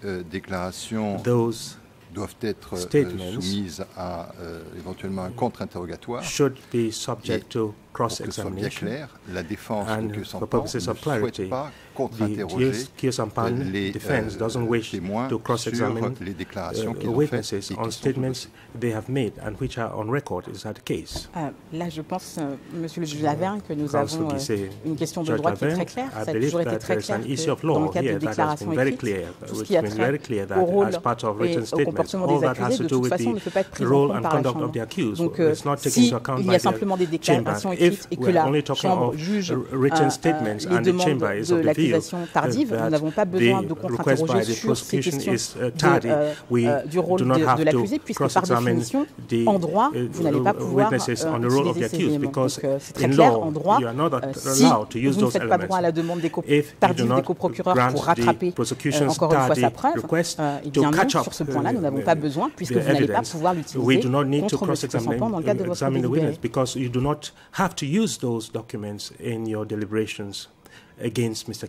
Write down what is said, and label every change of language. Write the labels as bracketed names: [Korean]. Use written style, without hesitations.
[French] Ces déclarations doivent être soumises à éventuellement un contre-interrogatoire. [English] Should be subject to cross-examination. [French] Pour que ce soit bien clair, la défense [English] and [French] pour que ce soit clair, ne souhaite pas contre-interroger les [English] defense doesn't wish [French] témoins [English] to cross-examine [French] sur les déclarations qu'ils ont faites et qui sont [English] statements they have made and which are on record. Is that the case? [French] Là, je pense, Monsieur le juge Lavergne, que nous avons une question de droit qui est très claire. Ça a toujours été très clair dans le cadre de déclarations écrites. Tout ce qui a trait au rôle et au comportement des accusés, de toute façon, ne peut pas être pris en compte par la Chambre. Donc, s'il y a simplement des déclarations écrites et que la Chambre juge les demandes de l'accusation tardive, nous n'avons pas besoin de contre-interroger sur ces questions du rôle de l'accusé, puisque par définition, en droit, vous n'allez pas pouvoir utiliser ces éléments. Donc, c'est très clair, en droit, si vous ne faites pas droit à la demande des coprocureurs pour rattraper encore une fois sa preuve, sur ce point-là, nous n'avons pas besoin, puisque vous n'allez pas pouvoir l'utiliser contre M. Sampan dans le cadre de votre délibéré. [English] Because you do not have to use those documents in your deliberations against Mr.